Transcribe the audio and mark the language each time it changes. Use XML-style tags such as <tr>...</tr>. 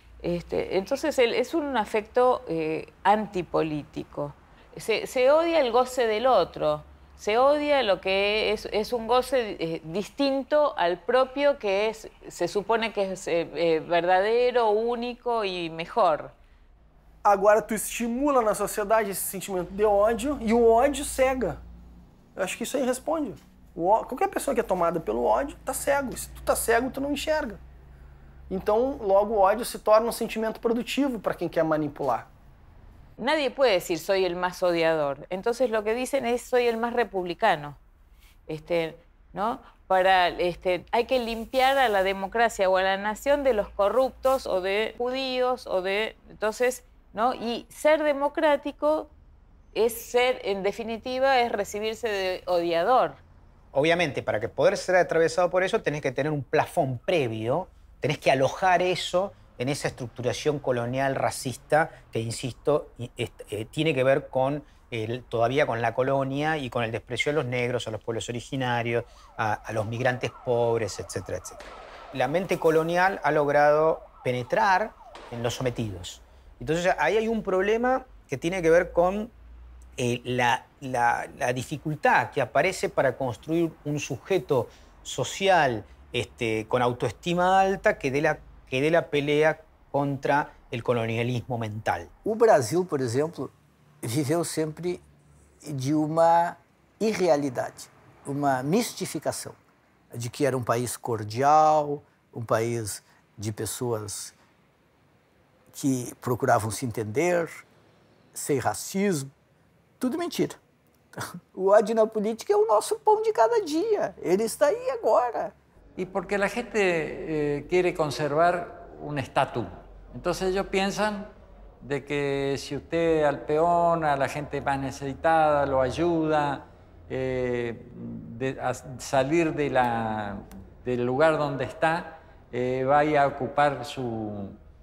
<es>Entonces es un afecto antipolítico. Se odia el goce del otro, se odia lo que es un goce distinto al propio que es, se supone que es verdadero, único y mejor.</es> <pt>Agora tu estimula na sociedade esse sentimento de ódio e o ódio cega. Eu acho que isso aí responde. Qualquer pessoa que é tomada pelo ódio está cego. Se tu está cego, tu não enxerga. Então, logo, o ódio se torna um sentimento produtivo para quem quer manipular.</pt> <es>Nadie puede decir soy el más odiador. Entonces lo que dicen es soy el más republicano. ¿No? Para hay que limpiar a la democracia o a la nación de los corruptos o de judíos o de entonces, ¿no? Y ser democrático es ser en definitiva es recibirse de odiador. Obviamente, para que poder ser atravesado por eso tenés que tener un plafón previo, tenés que alojar eso en esa estructuración colonial racista que, insisto, tiene que ver con todavía con la colonia y con el desprecio a los negros, a los pueblos originarios, a los migrantes pobres, etcétera, etcétera. La mente colonial ha logrado penetrar en los sometidos. Entonces, ahí hay un problema que tiene que ver con la dificultad que aparece para construir un sujeto social con autoestima alta que dé la pelea contra el colonialismo mental.</es> <pt>O Brasil, por exemplo, viveu sempre de uma irrealidade, uma mistificação de que era um país cordial, um país de pessoas que procuravam se entender, sem racismo, tudo mentira. O ódio na política é o nosso pão de cada dia, ele está aí agora.</pt> <es>Y porque la gente quiere conservar un estatus. Entonces ellos piensan de que si usted al peón, a la gente más necesitada, lo ayuda a salir del lugar donde está, va a ocupar su,</es>